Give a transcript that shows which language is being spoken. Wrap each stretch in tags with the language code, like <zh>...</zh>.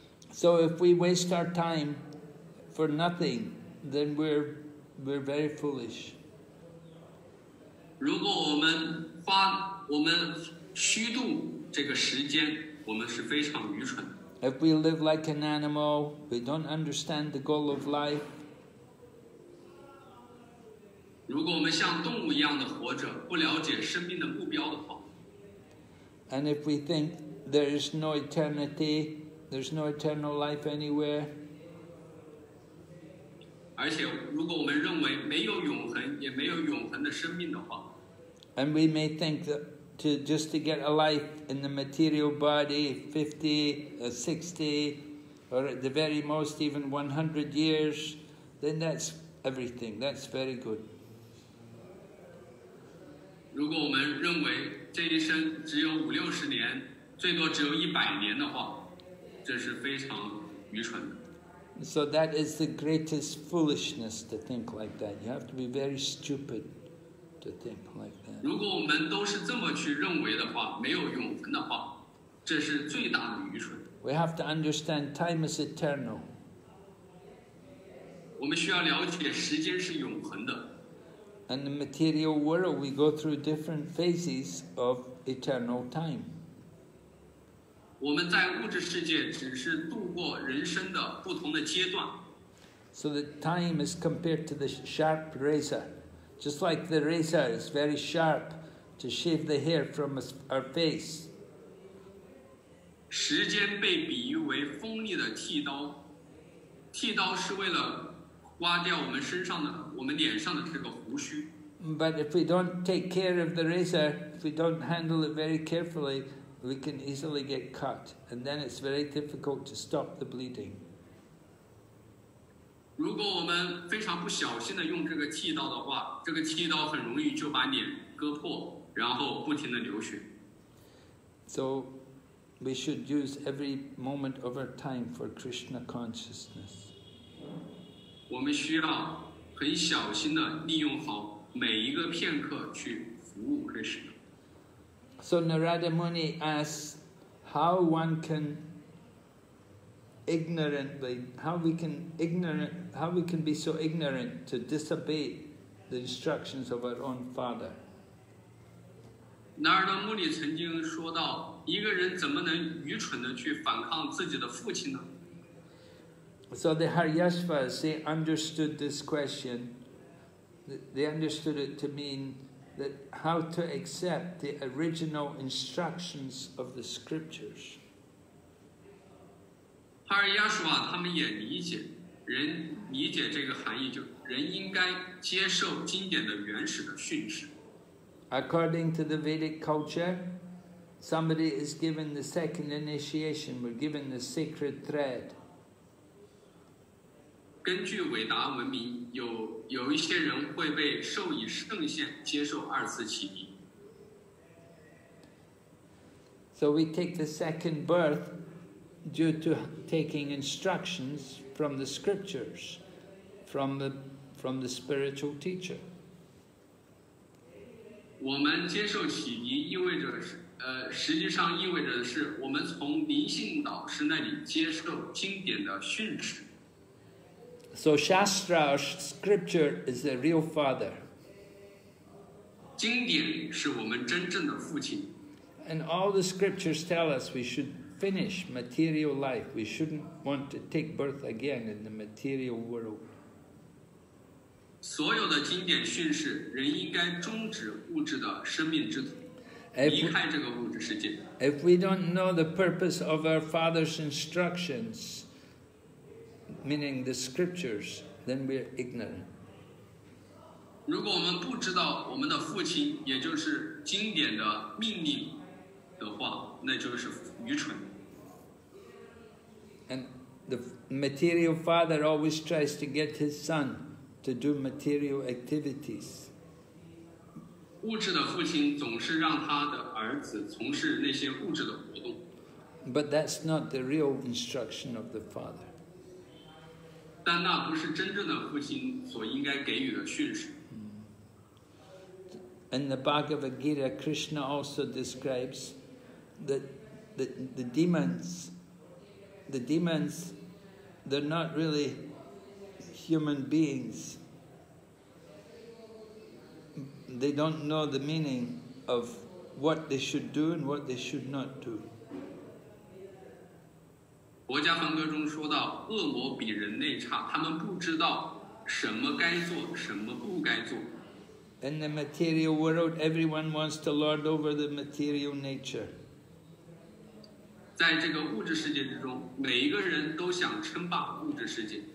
<en>So if we waste our time for nothing, then we're very foolish.</en> <zh>如果我们虚度这个时间，我们是非常愚蠢。</zh> <en>If we live like an animal, we don't understand the goal of life.</en> <zh>如果我们像动物一样的活着，不了解生命的目标的话。</zh> <en>And if we think there is no eternity, there's no eternal life anywhere.</en> <zh>而且如果我们认为没有永恒，也没有永恒的生命的话。</zh> <en>And we may think that just to get a life in the material body, 50, 60, or at the very most even 100 years, then that's everything, that's very good.</en> <zh>如果我们认为这一生只有五六十年，最多只有一百年的话，这是非常愚蠢的。</zh> <en>So that is the greatest foolishness to think like that. You have to be very stupid to think like that.</en> <zh>如果我们都是这么去认为的话，没有永恒的话，这是最大的愚蠢。</zh> <en>We have to understand time is eternal.</en> <zh>我们需要了解时间是永恒的。</zh> <en>And the material world, we go through different phases of eternal time.</en> <zh>我们在物质世界只是度过人生的不同的阶段。</zh> <en>So the time is compared to the sharp razor. Just like the razor is very sharp to shave the hair from our face.</en> <zh>时间被比喻为锋利的剃刀。剃刀是为了刮掉我们身上的我们脸上的这个胡须。</zh> <en>But if we don't take care of the razor, if we don't handle it very carefully, we can easily get cut, and then it's very difficult to stop the bleeding.</en> <zh>如果我们非常不小心的用这个剃刀的话，这个剃刀很容易就把脸割破，然后不停的流血。</zh> <en>So we should use every moment of our time for Krishna consciousness.</en> <zh>我们需要很小心地利用好每一个片刻去服务 Krishna.</zh> <en>So Narada Muni asks how one can ignorantly, how we can be so ignorant to disobey the instructions of our own father.</en> <zh>那儿的穆里曾经说到，一个人怎么能愚蠢地去反抗自己的父亲呢？</zh> <en>So the Haryashvas, they understood this question. They understood it to mean that how to accept the original instructions of the scriptures.</en> <zh>Haryashva, 他们也理解，人理解这个含义就人应该接受经典的原始的训示。</zh> <en>According to the Vedic culture, somebody is given the second initiation, we're given the sacred thread.</en> <zh>根据伟达文明，有一些人会被授以圣限，接受二次启迪。</zh> <en>So we take the second birth due to taking instructions from the scriptures, from the spiritual teacher.</en> <zh>我们接受启迪意味着实际上意味着的是我们从灵性导师那里接受经典的训示。</zh> <en>So Shastra or scripture is the real father.</en> <zh>经典是我们真正的父亲。</zh> <en>And all the scriptures tell us we should finish material life. We shouldn't want to take birth again in the material world.</en> <zh>所有的经典训示，人应该终止物质的生命之途，离开这个物质世界。</zh> <en>If we don't know the purpose of our father's instructions, meaning the scriptures, then we're ignorant.</en> <zh>如果我们不知道我们的父亲，也就是经典的命令的话，那就是愚蠢。</zh> <en>And the material father always tries to get his son. To do material activities.</en> <zh>物质的父亲总是让他的儿子从事那些物质的活动。</zh> <en>But that's not the real instruction of the father.</en> <zh>但那不是真正的父亲所应该给予的训示。</zh> <en>In the Bhagavad Gita, Krishna also describes that the demons, they're not really. Human beings, they don't know the meaning of what they should do and what they should not do.</en> <zh>国家梵歌中说到，恶魔比人类差，他们不知道什么该做，什么不该做。</zh> <en>In the material world, everyone wants to lord over the material nature.</en> <zh>在这个物质世界之中，每一个人都想称霸物质世界。</zh>